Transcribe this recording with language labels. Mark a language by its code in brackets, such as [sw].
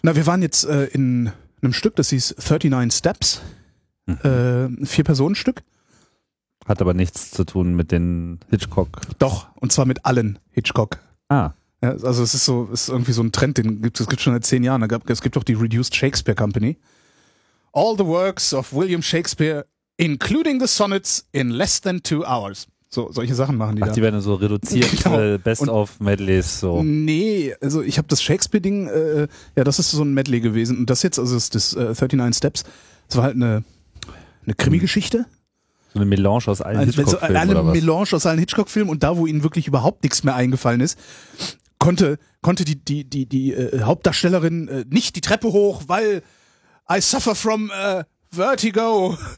[de] Na, wir waren jetzt in einem Stück, das hieß 39 Steps, Vier-Personen-Stück. Hat aber nichts zu tun mit den Hitchcock. Doch, und zwar mit allen Hitchcock. Ah. Ja, also es ist so, ist irgendwie so ein Trend, den gibt es schon seit 10 Jahren. Es gibt auch die Reduced Shakespeare Company. [en] All the works of William Shakespeare... including the sonnets in less than 2 hours. [de] So, solche Sachen machen die da. Ach, die werden so reduziert, genau. Best of Medleys, so. Nee, also ich habe das Shakespeare-Ding, ja, das ist so ein Medley gewesen. Und das jetzt, also ist das 39 Steps, das war halt eine Krimi-Geschichte. So eine Melange aus allen Hitchcock-Filmen, oder was? Eine Melange aus allen Hitchcock-Filmen und da, wo ihnen wirklich überhaupt nichts mehr eingefallen ist, konnte die Hauptdarstellerin nicht die Treppe hoch, weil [en] I suffer from... [de] Vertigo.